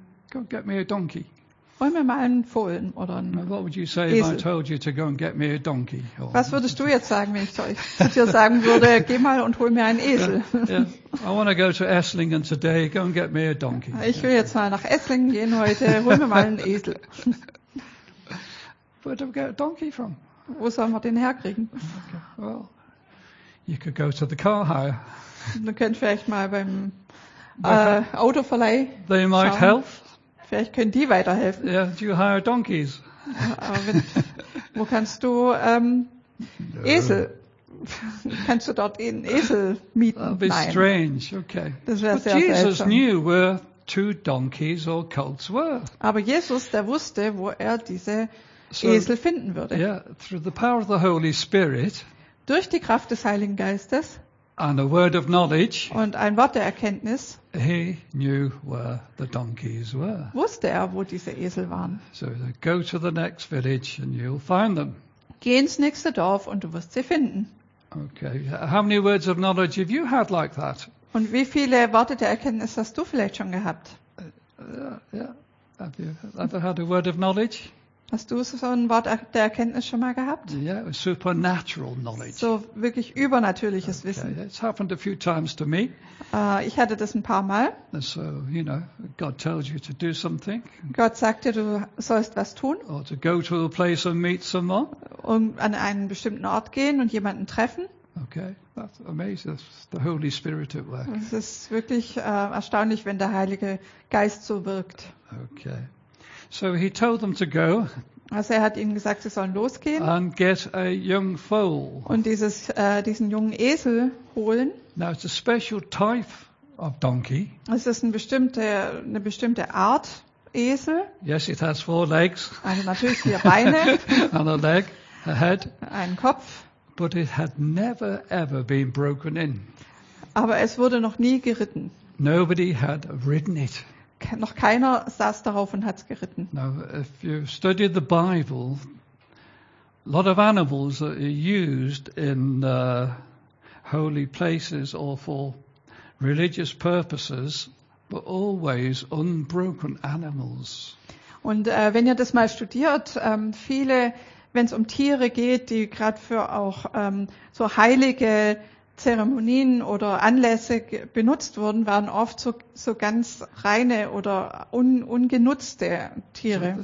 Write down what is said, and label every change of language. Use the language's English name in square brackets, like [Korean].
[English] Go get me a donkey. [German] Wollen wir mal einen Fohlen oder einen Esel? [English] What would you say if I told you to go and get me a donkey? [German] Was würdest du jetzt sagen, wenn ich zu dir sagen würde, geh mal und hol mir einen Esel? [English] Yeah. I want to go to Esslingen today. Go and get me a donkey. [German] Ich will jetzt mal nach Esslingen gehen heute. Hol mir mal einen Esel. [English] Where do we get a donkey from? [German] Wo sollen wir den herkriegen? [English] Okay. Well, you could go to the car hire. [German] Du könntest vielleicht mal beim Autoverleih. [English] They might [German] schauen. [English] Help. [German] Vielleicht können die weiterhelfen. [English] Yeah, do you hire donkeys? [German] Wo kannst du Esel? Kannst du dort einen Esel mieten? [English] That'd be [German] Nein. [English] Strange. Okay. [German] Das wäre sehr [English] Jesus [German] seltsam. [English] Knew where two donkeys or colts were. [German] Aber Jesus, der wusste, wo er diese Esel finden würde. [English] Yeah, through the power of the Holy Spirit. [German] Durch die Kraft des Heiligen Geistes. [English] And a word of knowledge. [German] Und ein Wort der Erkenntnis. [English] He knew where the donkeys were. [German] Wusste er, wo diese Esel waren. [English] So go to the next village and you'll find them. [German] Geh ins nächste Dorf und du wirst sie finden. [English] Okay. How many words of knowledge have you had like that? [German] Und wie viele Worte der Erkenntnis hast du vielleicht schon gehabt? [English] Have you ever had a word of knowledge? [German] Hast du so ein Wort der Erkenntnis schon mal gehabt? [English] Yeah, supernatural knowledge. [German] So wirklich übernatürliches [English] okay. [German] Wissen. [English] It's happened a few times to me. [German] Ich hatte das ein paar Mal. [English] So, you know, God tells you to do something. [German] Gott sagt dir, du sollst was tun. [English] Or to go to a place and meet someone. [German] Und an einen bestimmten Ort gehen und jemanden treffen. [English] Okay, that's amazing. That's the Holy Spirit at work. [German] Es ist wirklich erstaunlich, wenn der Heilige Geist so wirkt. [English] Okay. So he told them to go. [German] Also er hat ihnen gesagt, sie sollen losgehen. [English] And get a young foal. [German] Und diesen jungen Esel holen. [English] Now it's a special type of donkey. [German] Es ist eine bestimmte Art Esel. [English] Yes, it has four legs. [German] Also natürlich vier Beine. [English] And a leg, a head. [German] Einen Kopf. [English] But it had never ever been broken in. [German] Aber es wurde noch nie geritten. [English] Nobody had ridden it. [German] Noch keiner saß darauf und hat es geritten. [English] Now, if you study the Bible, a lot of animals are used in holy places or for religious purposes, but always unbroken animals. [German] Und wenn ihr das mal studiert, viele, wenn es um Tiere geht, die gerade für auch so heilige Zeremonien oder Anlässe benutzt wurden, waren oft so ganz reine oder ungenutzte Tiere.